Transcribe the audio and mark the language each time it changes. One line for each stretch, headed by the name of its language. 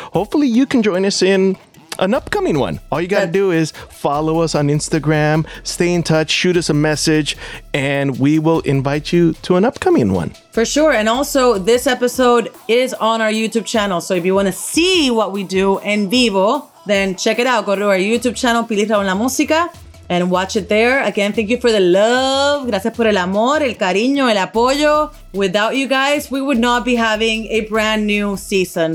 English: Hopefully you can join us in an upcoming one. All you got to do is follow us on Instagram, stay in touch, shoot us a message, and we will invite you to an upcoming one. For sure. And also, this episode is on our YouTube channel. So if you want to see what we do in vivo, then check it out. Go to our YouTube channel, Pili Raul La Musica, and watch it there. Again, thank you for the love.
Spanish: Gracias por el amor, el cariño, el apoyo.
English: Without you guys, we would not be having a brand new season.